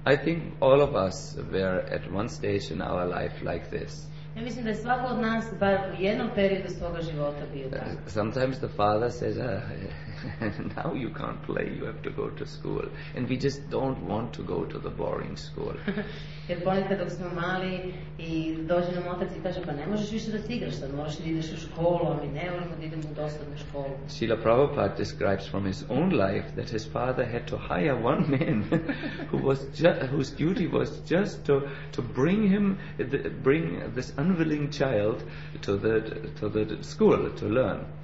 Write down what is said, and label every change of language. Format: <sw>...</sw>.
<en>I think all of us were at one stage in our life like this.</en> <sr>Ja mislim da je svako od nas bar u jednom periodu svoga života bio tako.</sr> <en>Sometimes the father says, now you can't play, you have to go to school. And we just don't want to go to the boring school.</en> <sr>Jer ponekad dok smo mali i dođe nam otac i kaže, pa ne možeš više da igraš, sad moraš da ideš u školu, a mi ne volimo da idemo u dosadnu školu.</sr> <en>Srila Prabhupada describes from his own life that his father had to hire one man whose duty was just to bring this unwilling child to the school to learn.</en>